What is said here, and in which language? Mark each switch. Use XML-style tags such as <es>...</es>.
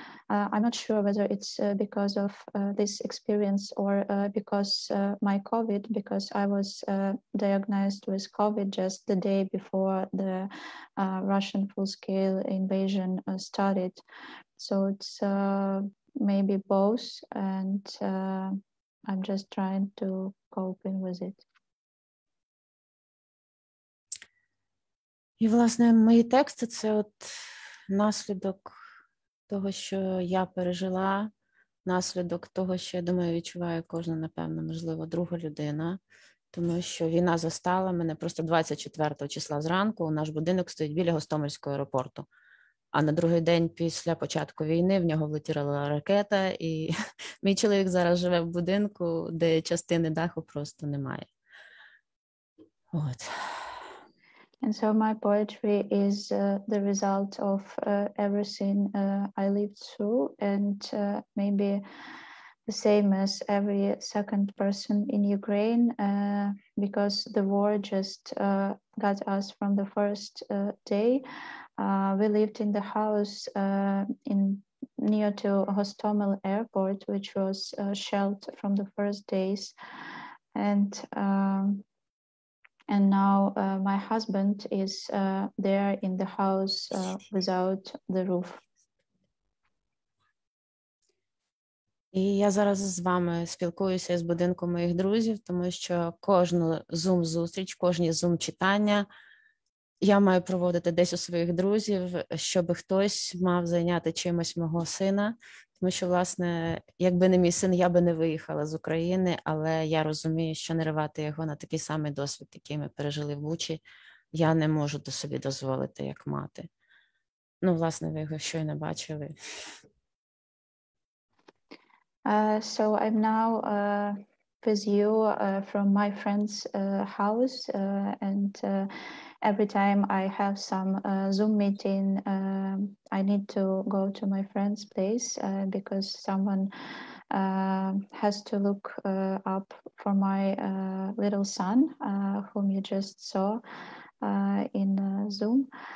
<en>I'm not sure whether it's because of this experience or because my COVID, because I was diagnosed with COVID just the day before the Russian full-scale invasion started. So it's maybe both, and I'm just trying to cope with it.</en> <uk>І, власне, мої тексти – це от наслідок того, що я пережила, наслідок того, що, я думаю, відчуває кожна, напевно, можливо, друга людина, тому що війна застала мене просто 24 числа зранку, наш будинок стоїть біля Гостомельського аеропорту. А на другий день після початку війни в нього влетіла ракета, і мій чоловік зараз живе в будинку, де частини даху просто немає. От.</uk> <en>And so my poetry is the result of everything I lived through, and maybe the same as every second person in Ukraine, because the war just got us from the first day. We lived in the house in near to Hostomel Airport, which was shelled from the first days. And And now my husband is there in the house without the roof.</en> <uk>І я зараз з вами спілкуюся з будинком моїх друзів, тому що кожну Zoom-зустріч, кожні Zoom-читання я маю проводити десь у своїх друзів, щоб хтось мав зайняти чимось мого сина. Тому що, власне, якби не мій син, я би не виїхала з України, але я розумію, що наривати його на такий самий досвід, який ми пережили в Бучі, я не можу собі дозволити як мати. Ну, власне, ви його щойно бачили.</uk> <en>So I'm now with you from my friend's house, and every time I have some Zoom meeting, I need to go to my friend's place because someone has to look up for my little son, whom you just saw in Zoom.</en>